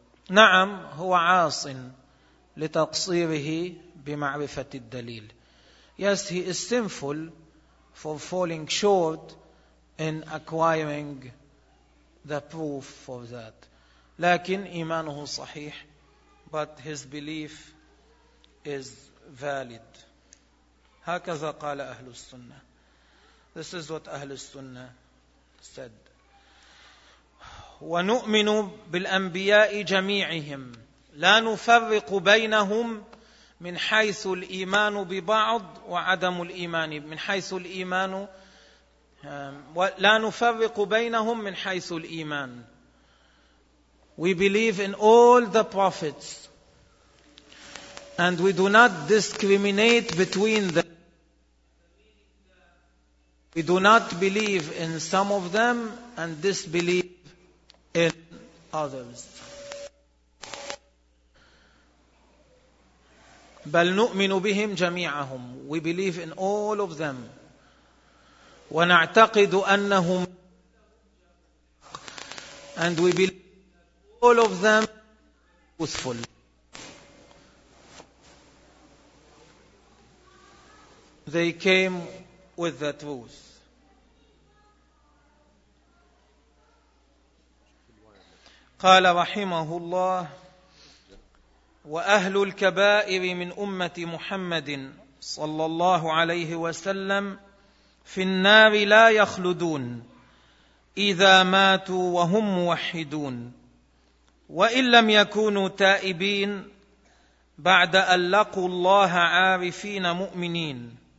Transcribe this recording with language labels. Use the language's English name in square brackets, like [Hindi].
[Arabic] نعم هو عاص لتقصيره بمعرفة الدليل. [English] Yes, he is sinful for falling short in acquiring the proof for that. [Arabic] لكن إيمانه صحيح, [English] but his belief is valid. [Arabic] هكذا قال أهل السنة. [English] This is what أهل السنة said. [Arabic] ونؤمن بالأنبياء جميعهم لا نفرق بينهم من حيث الإيمان ببعض وعدم الإيمان من حيث الإيمان لا نفرق بينهم من حيث الإيمان. [English] We believe in all the prophets and we do not discriminate between them. We do not believe in some of them and disbelieve in others. [Arabic] بل نؤمن بهم جميعهم. [English] We believe in all of them. [Arabic] ونعتقد أنهم [English] and we believe all of them truthful. They came with the truth. [Arabic] قال رحمه الله وأهل الكبائر من أمة محمد صلى الله عليه وسلم في النار لا يخلدون إذا ماتوا وهم موحدون وإن لم يكونوا تائبين بعد أن لقوا الله عارفين مؤمنين